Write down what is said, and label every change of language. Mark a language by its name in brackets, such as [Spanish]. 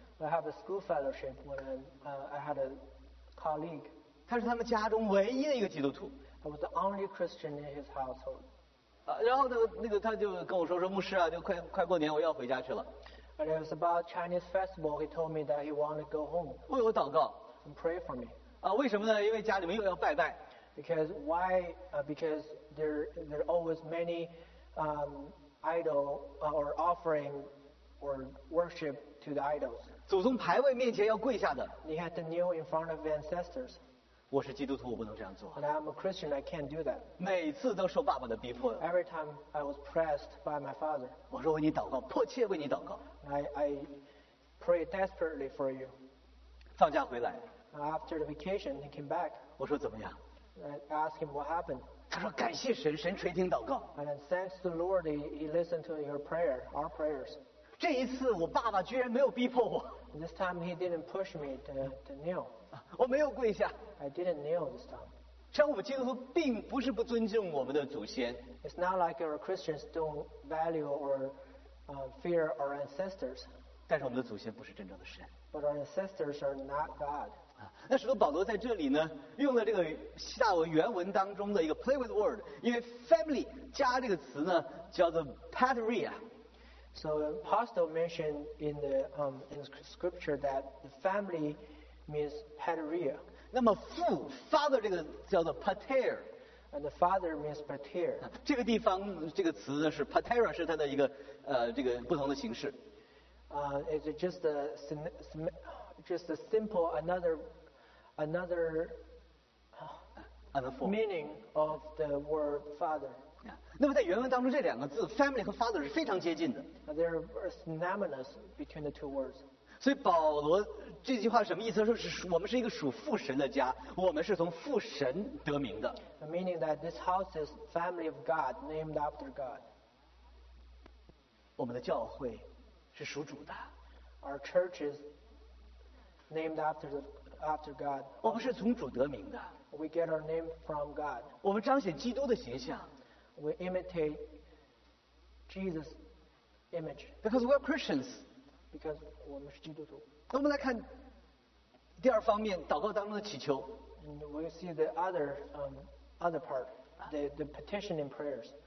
[English] I have a school fellowship when I had a colleague. [Chinese] 他是他们家中唯一的一个基督徒。 [English] I was the only Christian in his household. [Chinese] 然后那个他就跟我说牧师啊，就快过年，我要回家去了。 [English] And it was about Chinese festival. He told me that he wanted to go home. [Chinese] 为我祷告。 [English] And pray for me. [Chinese] 为什么呢？因为家里面又要拜拜。 [English] Because why? Because there are always many idol or offering or worship to the idols. [Chinese] 祖宗牌位面前要跪下的。 [English] He had to kneel in front of ancestors. [Chinese] 我是基督徒，我不能这样做。 [English] But I'm a Christian, I can't do that. [Chinese] 每次都受爸爸的逼迫。 [English] Every time I was pressed by my father. [Chinese] 我说为你祷告，迫切为你祷告。 [English] I pray desperately for you. [Chinese] 放假回来。 [English] After the vacation, he came back. [Chinese] 我说怎么样 [English] ？I asked him what happened. [Chinese] 他说感谢神，神垂听祷告。 [English] And thanks to the Lord, he listened to your prayer, our prayers. [Chinese] 这一次我爸爸居然没有逼迫我。 [English] This time he didn't push me to kneel. [Chinese] 我没有跪下。 [English] I didn't kneel this time. [Chinese] 像我们基督徒并不是不尊敬我们的祖先。 [English] It's not like our Christians don't value or fear our ancestors. [Chinese] 但是我们的祖先不是真正的神。 [English] But our ancestors are not God. [Chinese] 那使徒保罗在这里呢，用了这个希腊文原文当中的一个 [English] play with word， [Chinese] 因为 family 家这个词呢叫做 patria。 [English] So apostle mentioned in the scripture that the family means patria. [Chinese] 那么父 father 这个叫做 pater， [English] And the father means pater. [Chinese] 这个地方这个词呢是 patera 是它的一个这个不同的形式。 [English] Is it just a simple another another meaning of the word father? [Chinese] 那么在原文当中这两个字 family 和 father 是非常接近的。 [English] They are synonymous between the two words. [Chinese] 所以保罗这句话什么意思？说是我们是一个属父神的家，我们是从父神得名的。 [English] The meaning that this house is family of God, named after God. [Chinese] 我们的教会是属主的。 [English] Our church is named after God. [Chinese] 我们是从主得名的。 [English] We get our name from God. [Chinese] 我们彰显基督的形象。 [English] We imitate Jesus' image. Because we are Christians. Because [Chinese] 我们是基督徒。那我们来看第二方面，祷告当中的祈求。 [English] We see the other part, the petition in prayers.